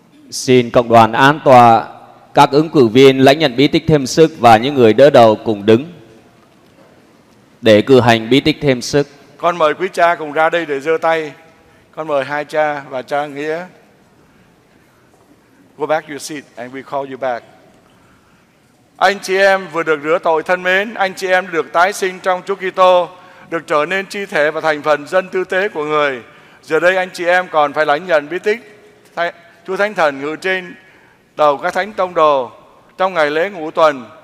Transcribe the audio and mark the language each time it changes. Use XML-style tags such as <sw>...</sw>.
<vi>Xin cộng đoàn an tọa, các ứng cử viên lãnh nhận bí tích thêm sức và những người đỡ đầu cùng đứng để cử hành bí tích thêm sức. Con mời quý cha cùng ra đây để giơ tay. Con mời hai cha và cha Nghĩa.</vi> <en>Go back to your seat and we call you back.</en> <vi>Anh chị em vừa được rửa tội thân mến, anh chị em được tái sinh trong Chúa Kitô, được trở nên chi thể và thành phần dân tư tế của Người. Giờ đây anh chị em còn phải lãnh nhận bí tích Chúa Thánh Thần ngự trên đầu các thánh tông đồ trong ngày lễ ngũ tuần.</vi>